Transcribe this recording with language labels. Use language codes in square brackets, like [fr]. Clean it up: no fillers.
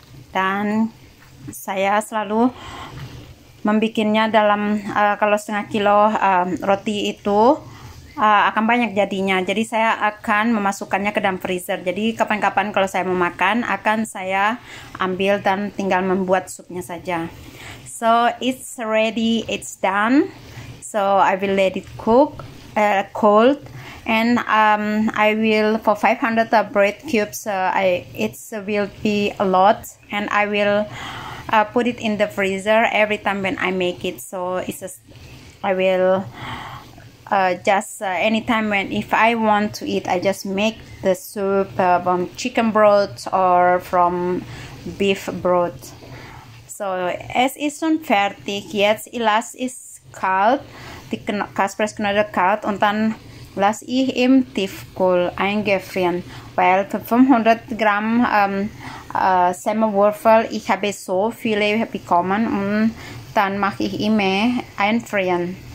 [id] Dan saya selalu membikinnya dalam kalau setengah kilo roti itu akan banyak jadinya. Jadi saya akan memasukkannya ke dalam freezer. Jadi kapan-kapan kalau saya mau makan akan saya ambil dan tinggal membuat supnya saja. [en] So it's ready, it's done. So I will let it cook cold and I will for 500 bread cubes it will be a lot and I will put it in the freezer every time when I make it. So it's just, I will just anytime when if I want to eat, I just make the soup from chicken broth or from beef broth. [de] So es ist fertig. Jetzt lass es kalt. Die Kaspers knödel kalt und dann lass ich im Tiefkühl eingefrieren. Weil 500 Gramm Semmelwürfel, ich habe so viele bekommen und dann mache ich immer einfrieren.